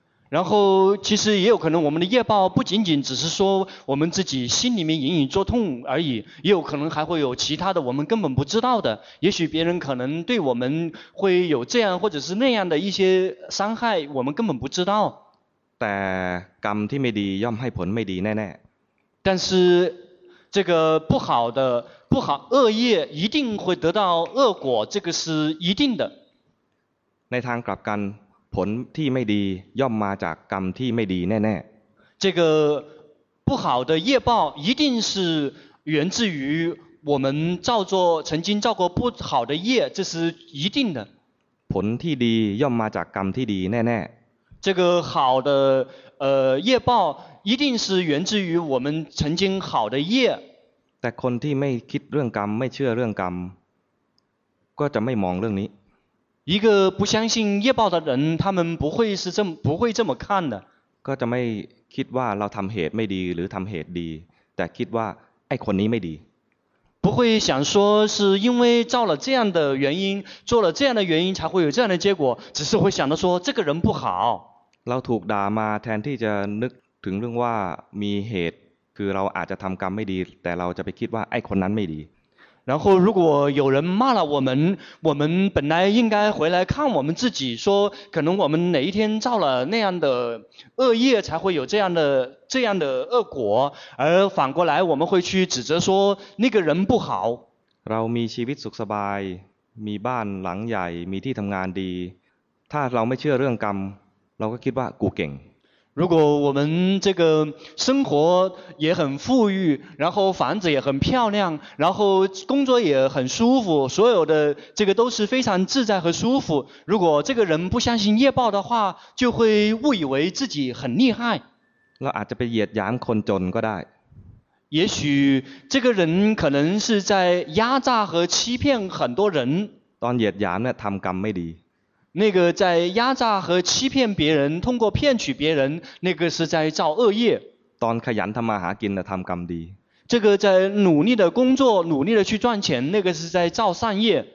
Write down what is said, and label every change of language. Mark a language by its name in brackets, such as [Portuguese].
[Chinese] 然后其实也有可能我们的业报不仅仅只是说我们自己心里面隐隐作痛而已，也有可能还会有其他的我们根本不知道的，也许别人可能对我们会有这样或者是那样的一些伤害，我们根本不知道。 [Thai] แต่กรรมที่ไม่ดีย่อมให้ผลไม่ดีแน่ [Chinese] ๆ但是这个不好的不好恶业一定会得到恶果，这个是一定的。 [Thai] ในทางกลับกันผลที่ไม่ดีย่อมมาจากกรรมที่ไม่ดีแน่ [Chinese] ๆ这个不好的业报一定是源自于我们造作曾经造过不好的业，这是一定的。 [Thai] ผลที่ดีย่อมมาจากกรรมที่ดีแน่ๆ [Chinese] 这个好的业报一定是源自于我们曾经好的业。 [Thai] แต่คนที่ไม่คิดเรื่องกรรมไม่เชื่อเรื่องกรรมก็จะไม่มองเรื่องนี้ [Chinese] 一个不相信业报的人，他们不会是这么不会这么看的。 [Thai] ก็จะไม่คิดว่าเราทำเหตุไม่ดีหรือทำเหตุดีแต่คิดว่าไอ้คนนี้ไม่ดี。 [Chinese] 不会想说是因为造了这样的原因，做了这样的原因才会有这样的结果，只是会想到说这个人不好。 [Thai] เราถูกด่ามาแทนที่จะนึกถึงเรื่องว่ามีเหตุคือเราอาจจะทำกรรมไม่ดีแต่เราจะไปคิดว่าไอ้คนนั้นไม่ดี。 [Chinese] 然后如果有人骂了我们，我们本来应该回来看我们自己，说可能我们哪一天造了那样的恶业才会有这样的恶果，而反过来我们会去指责说那个人不好。 [Thai] เรามีชีวิตสุขสบายมีบ้านหลังใหญ่มีที่ทำงานดีถ้าเราไม่เชื่อเรื่องกรรมเราก็คิดว่ากูเก่ง。 [Chinese] 如果我们这个生活也很富裕，然后房子也很漂亮，然后工作也很舒服，所有的这个都是非常自在和舒服，如果这个人不相信业报的话，就会误以为自己很厉害。 [Thai] เราอาจจะไปเหยียดหยามคนจนก็ได้。 [Chinese] 也许这个人可能是在压榨和欺骗很多人。 [Thai] ตอนเหยียดหยามเนี่ยทำกรรมไม่ดี。 [Chinese] 那个在压榨和欺骗别人，通过骗取别人，那个是在造恶业。 [Thai] ตอนขยันทำมาหากินน่ะทำกรรมดี。 [Chinese] 这个在努力的工作，努力的去赚钱，那个是在造善业。